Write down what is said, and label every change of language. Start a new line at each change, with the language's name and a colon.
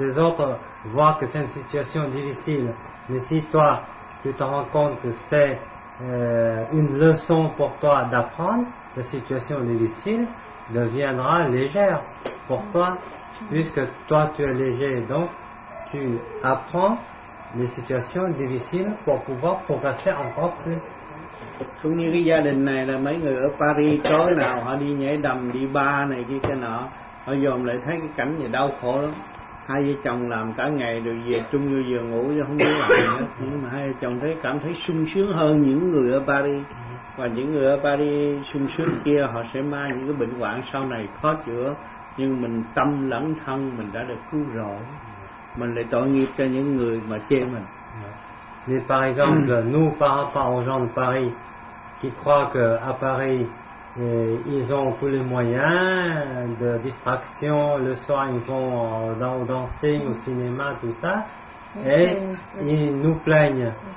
French: Les autres voient que c'est une situation difficile. Mais si toi, tu te rends compte que c'est une leçon pour toi d'apprendre, la situation difficile deviendra légère pour toi. Puisque toi, tu es léger, donc tu apprends les situations difficiles pour pouvoir progresser encore plus.
Vietnamese: Cũng như cái gia đình này là mấy người ở Paris tối nào họ đi nhảy đầm, đi bar này kia cái nọ, họ dòm lại thấy cái cảnh này đau khổ lắm. Hai vợ chồng làm cả ngày rồi về chung vô giường ngủ chứ không biết làm nữa. Nhưng mà hai vợ chồng thấy cảm thấy sung sướng hơn những người ở Paris. Và những người ở Paris sung sướng kia họ sẽ mang những cái bệnh hoạn sau này khó chữa. Nhưng mình tâm lẫn thân mình đã được cứu rỗi. Mình lại tội nghiệp cho những người mà chê mình.
French: Mais par exemple, nous par rapport aux gens de Paris qui croient qu'à Paris ils ont tous les moyens de distraction, le soir ils vont danser au cinéma, tout ça, et ils nous plaignent.